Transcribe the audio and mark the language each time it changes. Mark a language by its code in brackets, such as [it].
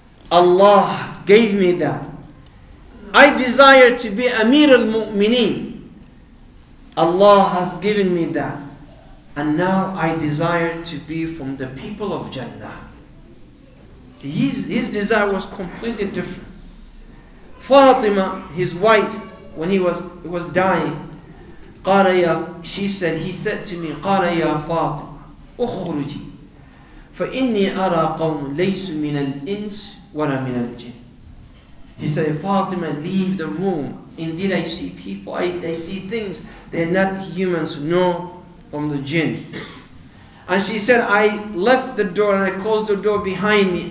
[en] Allah gave me that. I desire to be Amir al-Mu'mineen. Allah has given me that. And now I desire to be from the people of Jannah. See, his desire was completely different. Fatima, his wife, when he was dying, he said to me, [ar] قَالَ يَا فَاطِمَ أُخْرُجِي فَإِنِّي أَرَى قَوْمٌ لَيْسُ مِنَ الْإِنسِ وَلَا مِنَ الْجِنِ. [en] He said, Fatima, leave the room. Indeed, I see people, I see things. They're not humans, nor from the jinn. And she said, I left the door and I closed the door behind me.